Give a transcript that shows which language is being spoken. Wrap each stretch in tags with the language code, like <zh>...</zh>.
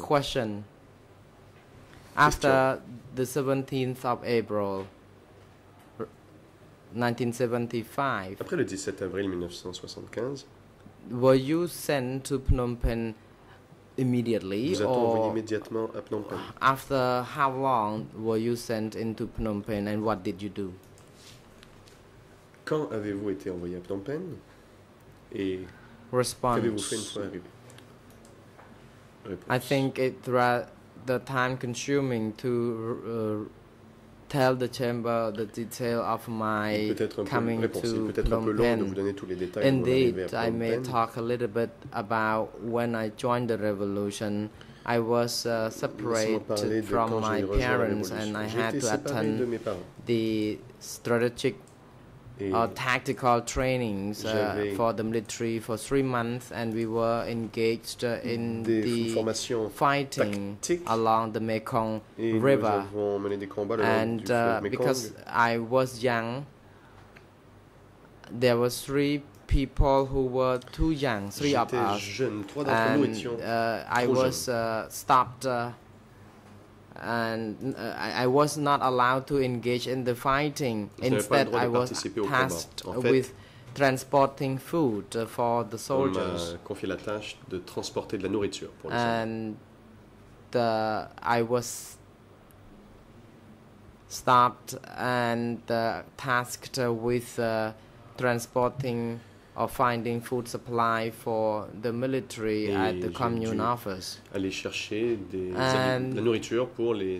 <en>Question. After the 17th of April 1975.</en> <fr>Après le 17 avril 1975.</fr> <en>Were you sent to Phnom Penh immediately, or after how long were you sent into Phnom Penh, and what did you do?</en> <fr>Quand avez-vous été envoyé à Phnom Penh, et</fr> <en>Response.</en> <fr>Qu'avez-vous fait une fois arrivé?</fr> <en>I think it's rather time-consuming to tell the chamber the detail of my coming to Phnom Penh. Indeed, I may talk a little bit about when I joined the revolution. I was separated from my parents and I had to attend the strategic or tactical trainings for the military for 3 months, and we were engaged in the fighting along the Mekong River. And because I was young, there were three people who were too young, three of us, and I was stopped and I was not allowed to engage in the fighting. Instead, I was tasked with transporting food for the soldiers.</en> <fr>On m'a confié la tâche de transporter de la nourriture pour les soldats.</fr> <en>And I was stopped and tasked with transporting or finding food supply for the military</en> <fr>et</fr> <en>at the commune office.</en> <fr>Aller chercher des and la nourriture pour les</fr>